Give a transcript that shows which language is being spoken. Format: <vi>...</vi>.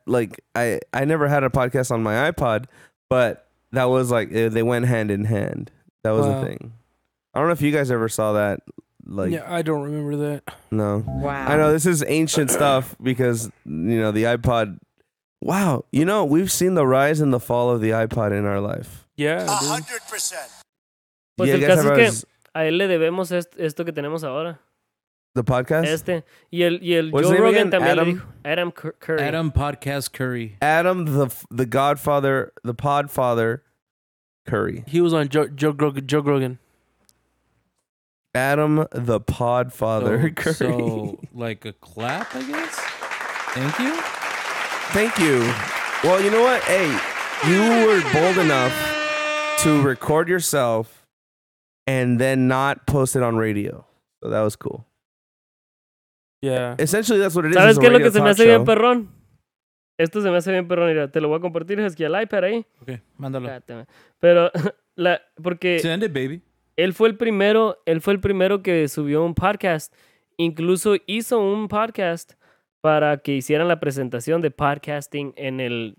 <en>Like I never had a podcast on my iPod, but that was like, they went hand in hand. That was a thing. I don't know if you guys ever saw that. Like, yeah, I don't remember that. No. Wow. I know this is ancient stuff because, you know, the iPod. Wow. You know, we've seen the rise and the fall of the iPod in our life. Yeah. 100%.</en> <es>Pues</es> <en>yeah,</en> <es>el caso es que a él le debemos esto que tenemos ahora.</es> <en>The podcast?</en> <es>Este. Y el Joe Rogan también le dijo. Adam Curry.</es> <en>Adam Podcast Curry. Adam the Godfather, the Podfather Curry. He was on Joe Rogan. Adam the Podfather Curry. So, like a clap, I guess? Thank you? Thank you. Well, you know what? Hey, you were bold enough to record yourself and then not post it on radio. So that was cool. Yeah. Essentially, that's what it is.</en> <es>¿Sabes qué es lo que se me hace bien, perrón? Esto se me hace bien, perrón. Te lo voy a compartir. Es que el iPad ahí. Ok, mándalo. Pero, porque...</es> <en>Send it, baby.</en> <es>Él fue el primero que subió un podcast. Incluso hizo un podcast para que hicieran la presentación de podcasting en el...</es>